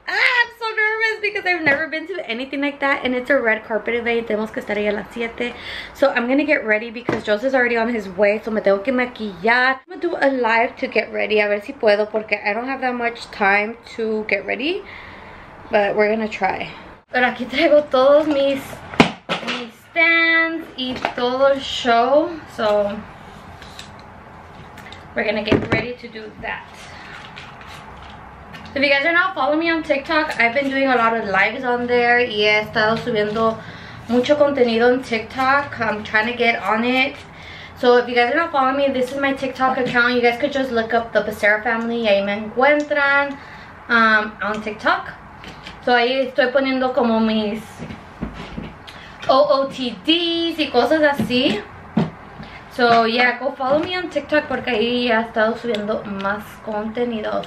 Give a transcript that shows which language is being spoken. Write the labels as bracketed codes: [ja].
[en] Ah, I'm so nervous because I've never been to anything like that, and it's a red carpet event. [es] Tenemos que estar ahí a las 7. [en] So I'm gonna get ready because Joseph's already on his way. So [es] me tengo que maquillar. [en] I'm gonna do a live to get ready. [es] A ver si puedo, porque [en] I don't have that much time to get ready. But we're gonna try. [es] Pero aquí traigo todos mis stands y todo el show. [en] So we're gonna get ready to do that. If you guys are not following me on TikTok, I've been doing a lot of lives on there. [es] Y he estado subiendo mucho contenido en TikTok. [en] I'm trying to get on it. So if you guys are not following me, this is my TikTok account. You guys could just look up the Becerra family. [es] Ahí me encuentran [en] on TikTok. [es] So ahí estoy poniendo como mis OOTDs y cosas así. [en] So yeah, go follow me on TikTok [es] porque ahí ya he estado subiendo más contenido.